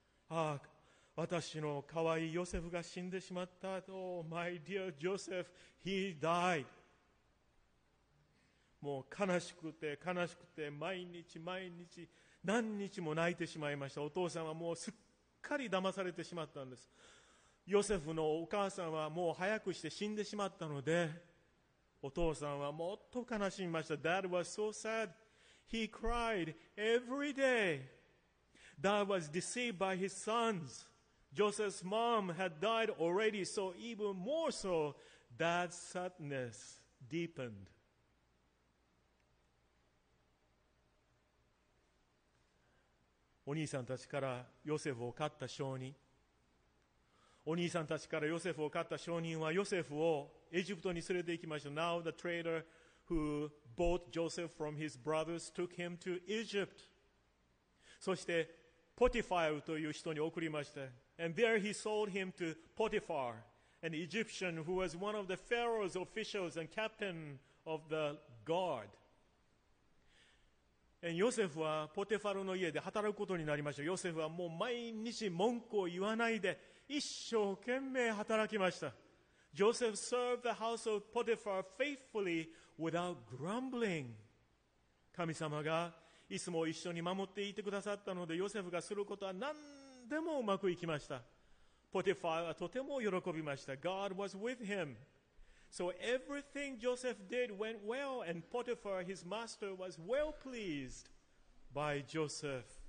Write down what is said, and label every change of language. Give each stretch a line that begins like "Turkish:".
Japanese: ああ、私のかわいいヨセフが死んでしまった。
English: Oh, my dear Joseph, he died.
Japanese: もう悲しくて悲しくて毎日毎日何日も泣いてしまいました。お父さんはもうすっかり騙されてしまったんです。ヨセフのお母さんはもう早くして死んでしまったので、お父さんはもっと悲しみました。
English: Dad was so sad. He cried every day. Dad was deceived by his sons. Joseph's mom had died already, so even more so, Dad's sadness deepened.
Japanese: お兄さんたちからヨセフを買った商人。お兄さんたちからヨセフを買った商人はヨセフをエジプトに連れて行きました。
English: Now the trader who bought Joseph from his brothers took him to Egypt.
Japanese: そしてポティファイルという人に送りました。
English: And there he sold him to Potiphar, an Egyptian who was one of the Pharaoh's officials and captain of the guard.
Japanese: And Joseph はポティファルの家で働くことになりました。ヨセフはもう毎日文句を言わないで一生懸命働きました。
English: Joseph served the house of Potiphar faithfully without grumbling.
Japanese: 神様がいつも一緒に守っていてくださったので、ヨセフがすることは何でもうまくいきました。ポティファーはとても喜びました。
English: God was with him. So everything Joseph did went well, and Potiphar, his master, was well pleased by Joseph.